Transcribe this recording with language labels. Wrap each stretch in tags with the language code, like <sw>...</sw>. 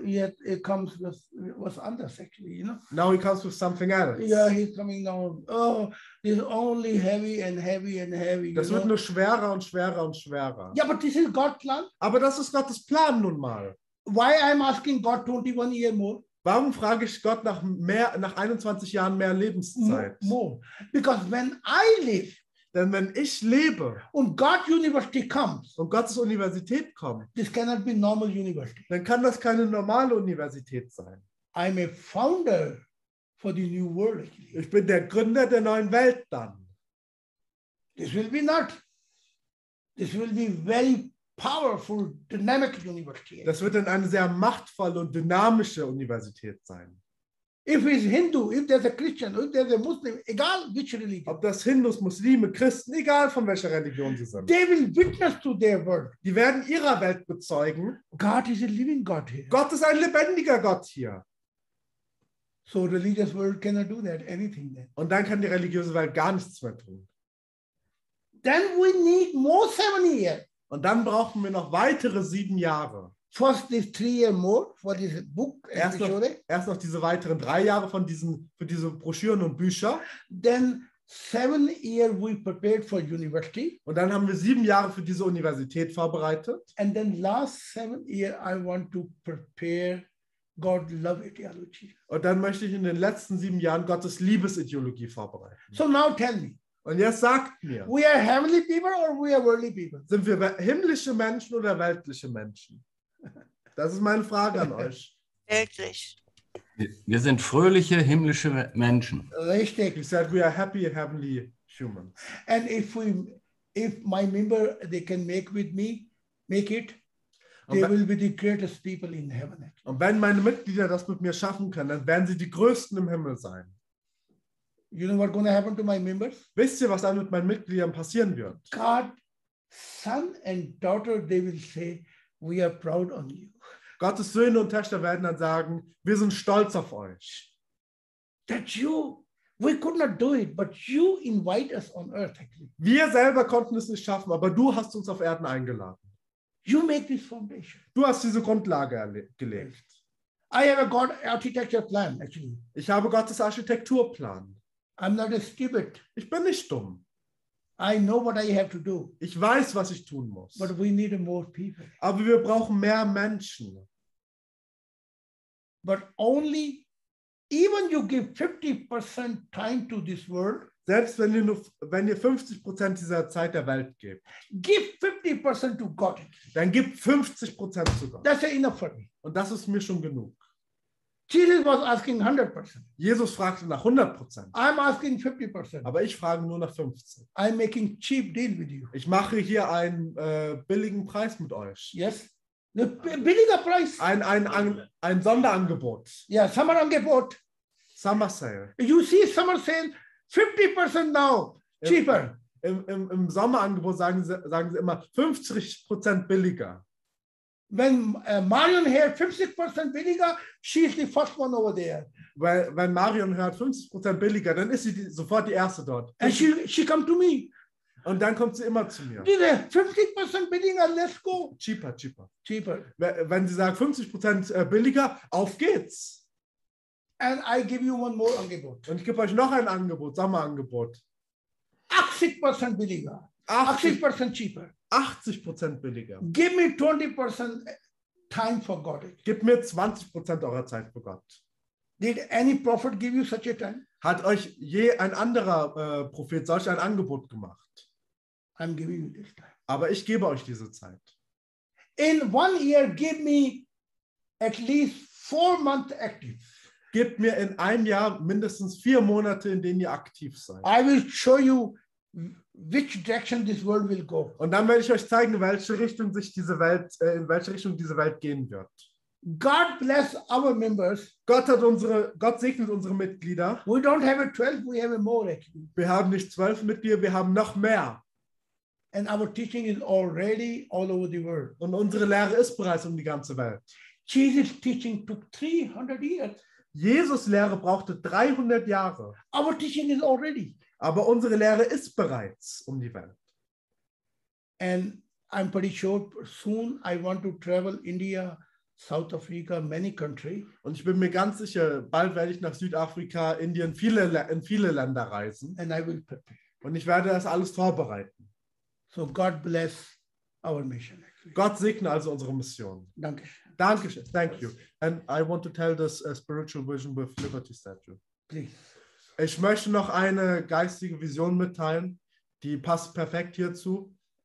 <en>Yet it comes with</en> <de>was anders</de> <en>actually, you know. Now he comes with something else. Yeah, he's coming now. Oh, it's only heavy and heavy and heavy.</en> <de>Das wird nur schwerer und schwerer und schwerer.</de> <en>Yeah, but this is God's plan.</en> <de>Aber das ist Gottes Plan nun mal.</de> <en>Why I'm asking God 21 years more?</en> <de>Warum frage ich Gott nach mehr, nach 21 Jahren mehr Lebenszeit?</de> <en>More. Because when I live,</en> <de>denn wenn ich lebe</de> <en>und God University comes,</en> <de>und Gottes Universität kommt,</de> <en>this cannot be normal university.</en> <de>Dann kann das keine normale Universität sein.</de> <en>I'm a founder for the new world.</en> <de>Ich bin der Gründer der neuen Welt dann.</de> <en>This will be not. This will be very powerful, dynamic university.</en> <de>Das wird dann eine sehr machtvolle und dynamische Universität sein.</de> <en>If it's Hindu, if there's a Christian, if there's a Muslim, egal which religion.</en> <de>Ob das Hindus, Muslime, Christen, egal von welcher Religion sie sind.</de> <en>They will witness to their world.</en> <de>Die werden ihrer Welt bezeugen.</de> <en>God is a living God here.</en> <de>Gott ist ein lebendiger Gott hier.</de> <en>So religious world cannot do that, anything then.</en> <de>Und dann kann die religiöse Welt gar nichts mehr tun.</de> <en>Then we need more 7 years.</en> <de>Und dann brauchen wir noch weitere 7 Jahre.</de> <en>First this 3 years more for this book.</en> <de>Erst noch diese weiteren 3 Jahre von diesen, für diese Broschüren und Bücher.</de> <en>Then 7 years we prepared for university.</en> <de>Und dann haben wir 7 Jahre für diese Universität vorbereitet.</de> <en>And then last 7 years I want to prepare God love ideology.</en> <de>Und dann möchte ich in den letzten 7 Jahren Gottes Liebesideologie vorbereiten.</de> <en>So now tell me.</en> <de>Und jetzt sagt mir.</de> <en>We are heavenly people or we are worldly people?</en> <de>Sind wir himmlische Menschen oder weltliche Menschen? Das ist meine Frage an euch. Weltlich. Wir sind fröhliche himmlische Menschen. Richtig.</de> <en>You said we are happy heavenly humans. And if my member they can make with me, make it, they will be the greatest people in heaven.</en> <de>Und wenn meine Mitglieder das mit mir schaffen können, dann werden sie die größten im Himmel sein.</de> <en>You know what's going to happen to my members?</en> <de>Wisst ihr, was dann mit meinen Mitgliedern passieren wird?</de> <en>God, son and daughter, they will say, we are proud on you.</en> <de>Gottes Söhne und Töchter werden dann sagen, wir sind stolz auf euch.</de> <en>That you, we could not do it, but you invite us on earth. Actually.</en> <de>Wir selber konnten es nicht schaffen, aber du hast uns auf Erden eingeladen.</de> <en>You make this foundation.</en> <de>Du hast diese Grundlage gelegt.</de> <en>I have a God architecture plan, actually.</en> <de>Ich habe Gottes Architekturplan.</de> <en>I'm not a stupid.</en> <de>Ich bin nicht dumm.</de> <en>I know what I have to do.</en> <de>Ich weiß, was ich tun muss.</de> <en>But we need more people.</en> <de>Aber wir brauchen mehr Menschen.</de> <en>But only, even you give 50% time to this world,</en> <de>Selbst wenn ihr, wenn ihr 50% dieser Zeit der Welt gebt.</de> <en>Gib 50% to God.</en> <de>Dann gib 50% zu Gott.</de> <en>That's enough for me.</en> <de>Und das ist mir schon genug.</de> <en>Jesus was asking 100%.</en> <de>Jesus fragte nach 100%.</de> <en>I'm asking 50%.</en> <de>Aber ich frage nur nach 50%.</de> <en>I'm making cheap deal with you.</en> <de>Ich mache hier einen billigen Preis mit euch. Yes. Billiger Preis. Ein Sonderangebot. Ja, yeah, Sommerangebot.</de> <en>Summer Sale. You see Summer Sale, 50% now, cheaper.</en> <de>Im Sommerangebot sagen sie immer 50% billiger.</de> <en>When Marion</en> <de>hört 50% billiger,</de> <en>she is the first one over there.</en> <de>Wenn Marion hört 50% billiger, dann ist sie sofort die Erste dort.</de> <en>And she come to me.</en> <de>Und dann kommt sie immer zu mir.</de> <en>50% billiger, let's go.</en> <de>Cheaper. Wenn sie sagt 50% billiger, auf geht's.</de> <en>And I give you one more Angebot.</en> <de>Und ich gebe euch noch ein Angebot, Sommerangebot. 80% billiger.</de> <en>80% cheaper.</en> <de>80% billiger.</de> <en>Give me 20% time for God.</en> <de>Gib mir 20% eurer Zeit für Gott.</de> <en>Did any prophet give you such a time?</en> <de>Hat euch je ein anderer Prophet solch ein Angebot gemacht?</de> <en>I'm giving you this time.</en> <de>Aber ich gebe euch diese Zeit.</de> <en>In one year give me at least 4 months active.</en> <de>Gebt mir in einem Jahr mindestens 4 Monate, in denen ihr aktiv seid.</de> <en>I will show you which direction this world will go.</en> <de>Und dann werde ich euch zeigen, welche Richtung sich diese Welt, in welche Richtung diese Welt gehen wird.</de> <en>God bless our members.</en> <de>Gott segnet unsere Mitglieder.</de> <en>We don't have a 12, we have a more actually.</en> <de>Wir haben nicht 12 Mitglieder, wir haben noch mehr.</de> <en>And our teaching is already all over the world.</en> <de>Und unsere Lehre ist bereits um die ganze Welt.</de> <en>Jesus' teaching took 300 years.</en> <de>Jesus' Lehre brauchte 300 Jahre.</de> <en>Our teaching is already.</en> <de>Aber unsere Lehre ist bereits um die Welt.</de> <en>And I'm pretty sure soon I want to travel India, South Africa, many country.</en> <de>Und ich bin mir ganz sicher, bald werde ich nach Südafrika, Indien, in viele Länder reisen.</de> <en>And I will prepare.</en> <de>Und ich werde das alles vorbereiten.</de> <en>So God bless our mission.</en> <de>Gott segne also unsere Mission. Dankeschön. Dankeschön.</de> <en>Thank you. And I want to tell this spiritual vision with Liberty Statue. Please.</en> <de>Ich möchte noch eine geistige Vision mitteilen, die passt perfekt hierzu.</de>